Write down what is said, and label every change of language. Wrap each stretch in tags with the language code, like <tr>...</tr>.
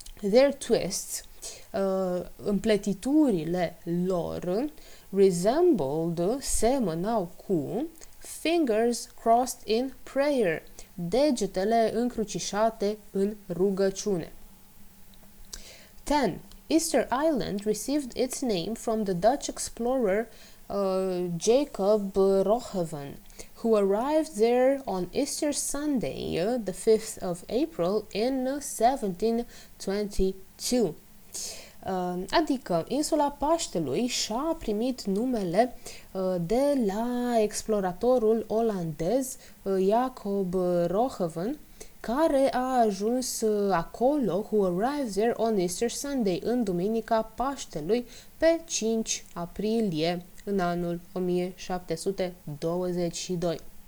<ro>Their twists, împletiturile lor, resembled, semănau cu, fingers crossed in prayer, degetele încrucișate în rugăciune. 10.</ro> <en>Easter Island received its name from the Dutch explorer Jacob Roggeveen, who arrived there on Easter Sunday, the 5th of April, in 1722.</en> <ro>Adică, insula Paștelui și-a primit numele de la exploratorul olandez Jacob Roggeveen, care a ajuns acolo, who arrived there on Easter Sunday, în duminica Paștelui, pe 5 aprilie, în anul 1722.</ro>